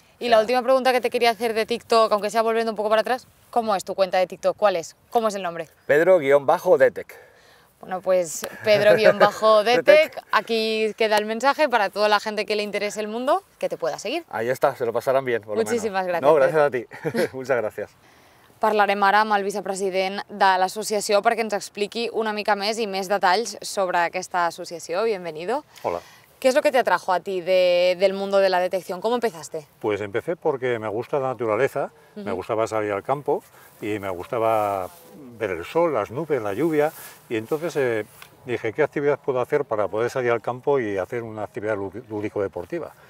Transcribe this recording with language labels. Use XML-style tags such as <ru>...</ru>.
<es>Y la última pregunta que te quería hacer de TikTok, aunque sea volviendo un poco para atrás, ¿cómo es tu cuenta de TikTok? ¿Cuál es? ¿Cómo es el nombre? Pedro-Detec. Bueno, pues Pedro-Detec, aquí queda el mensaje para toda la gente que le interese el mundo, que te pueda seguir. Ahí está, se lo pasarán bien, por muchísimas lo menos. Gracias. No, gracias a ti. Muchas gracias.</es> <ca>Parlarem ara amb el vicepresident de l'associació perquè ens expliqui una mica més i més detalls sobre aquesta associació.</ca> <es>Bienvenido. Hola. ¿Qué es lo que te atrajo a ti del mundo de la detección? ¿Cómo empezaste? Pues empecé porque me gusta la naturaleza, uh-huh. Me gustaba salir al campo y me gustaba ver el sol, las nubes, la lluvia. Y entonces dije, ¿qué actividad puedo hacer para poder salir al campo y hacer una actividad lúdico-deportiva?</es>